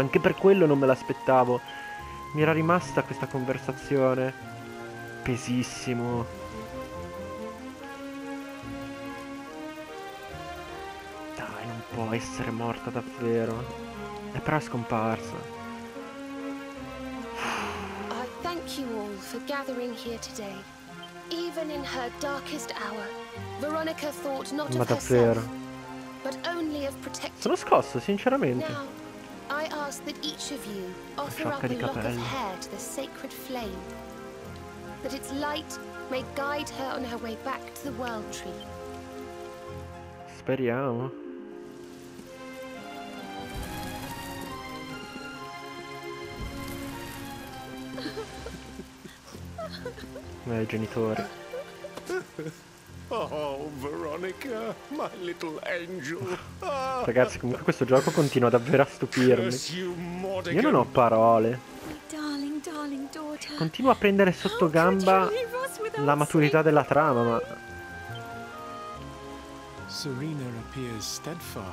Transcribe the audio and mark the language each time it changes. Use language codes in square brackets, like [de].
[it] Anche per quello non me l'aspettavo. Mi era rimasta questa conversazione. Pesissimo. Dai, non può essere morta davvero. È però scomparsa. [en] I thank you all for gathering here today. Even in her darkest hour, Veronica thought not of herself. [it] Ma davvero? [en] But only of protecting. [it] Sono scosso, sinceramente. [en] I ask that each of you offer up a lock of hair to the sacred flame, that its light may guide her on her way back to the World Tree. [it] Speriamo. Miei genitori. [en] Oh, Veronica, my little angel. [it] Ragazzi, comunque questo gioco continua davvero a stupirmi. Io non ho parole. Continua a prendere sotto gamba la maturità della trama, ma... [en] Serena appears steadfast.